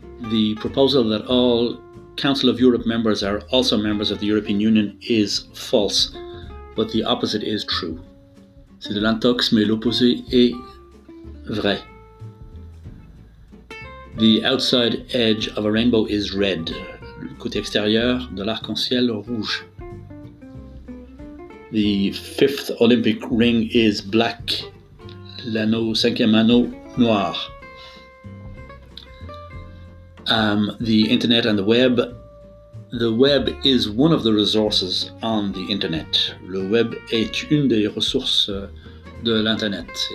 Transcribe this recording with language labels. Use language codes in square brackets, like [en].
[en] The proposal that all Council of Europe members are also members of the European Union is false, but the opposite is true. [fr] C'est de l'intox, mais l'opposé est vrai. [en] The outside edge of a rainbow is red. [fr] Le côté extérieur de l'arc-en-ciel rouge. [en] The fifth Olympic ring is black. [fr] L'anneau, cinquième anneau, noir. [en] The internet and the web. The web is one of the resources on the internet. [fr] Le web est une des ressources de l'internet.